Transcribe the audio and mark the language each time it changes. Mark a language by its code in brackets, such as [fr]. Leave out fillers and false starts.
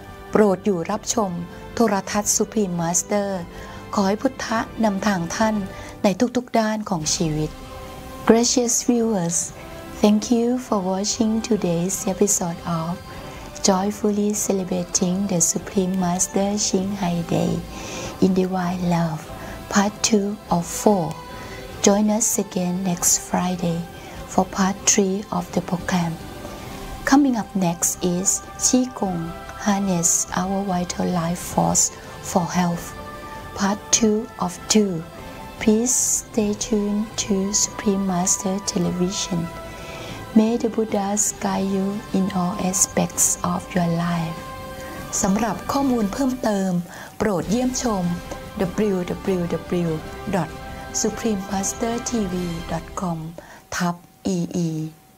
[th] โปรดอยู่รับชมโทรทัศน์ Supreme Master ขอให้พุทธะนำทางท่านในทุกๆด้านของชีวิต [en] Gracious viewers, thank you for watching today's episode of Joyfully Celebrating the Supreme Master Ching Hai Day in Divine Love, Part 2 of 4. Join us again next Friday for Part 3 of the program. Coming up next is Chi Gong. Harness our vital life force for health. Part 2 of 2. Please stay tuned to Supreme Master Television. May the Buddhas guide you in all aspects of your life. [th] สำหรับข้อมูลเพิ่มเติมโปรดเยี่ยมชม www.suprememastertv.com/EE